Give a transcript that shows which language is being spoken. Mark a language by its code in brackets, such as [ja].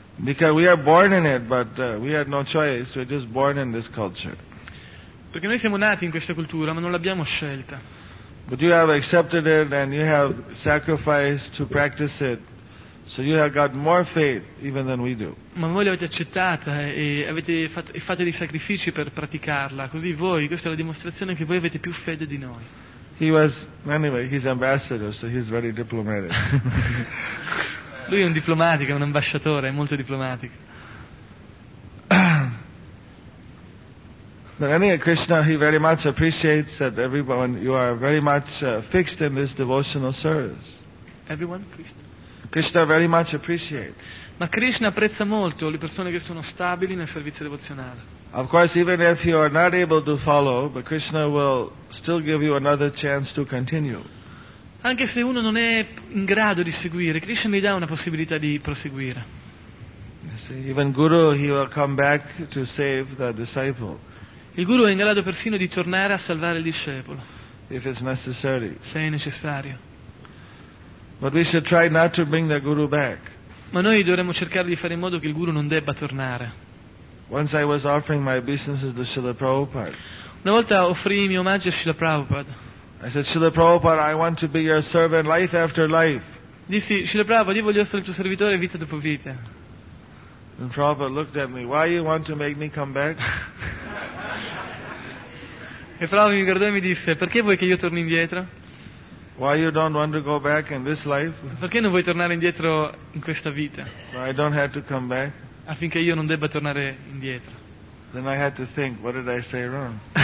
[en] Because we are born in it, but we had no choice. We're just born in this culture. [it] Perché noi siamo nati in questa cultura, ma non l'abbiamo scelta. [en] But you have accepted it and you have sacrificed to practice it, so you have got more faith even than we do. [it] Ma voi l'avete accettata e avete fatto, e fate dei sacrifici per praticarla, così voi, questa è la dimostrazione che voi avete più fede di noi. [en] He was, anyway, he's ambassador, so he's very diplomatic. [it] Lui è un diplomatico, è un ambasciatore, è molto diplomatico. [en] But anyway, Krishna, he very much appreciates that everyone, you are very much fixed in this devotional service. Everyone, Krishna? Krishna very much appreciates. [it] Ma Krishna apprezza molto le persone che sono stabili nel servizio devozionale. [en] Of course, even if you are not able to follow, but Krishna will still give you another chance to continue. [it] Anche se uno non è in grado di seguire, Krishna gli dà una possibilità di proseguire. [en] See, even Guru, he will come back to save the disciple. [it] Il Guru è in grado persino di tornare a salvare il discepolo. [en] If it's necessary. [it] Se è necessario. [en] But we should try not to bring the guru back. [it] Ma noi dovremmo cercare di fare in modo che il guru non debba tornare. [en] Once I was offering my businesses to Srila Prabhupada. [it] Una volta offrii i miei omaggi a Srila Prabhupada. [en] I said, "Srila Prabhupada, I want to be your servant life after life." [it] Dissi, Srila Prabhupada, io voglio essere il tuo servitore vita dopo vita. [en] And Prabhupada looked at me, "Why you want to make me come back?" [it] E Prabhupada mi guardò e mi disse, "Perché vuoi che io torni indietro?" [en] Why you don't want to go back in this life? [it] Perché non vuoi tornare indietro in questa vita? [en] So I don't have to come back. [it] Affinché io non debba tornare indietro. [en] Then I had to think, what did I say wrong?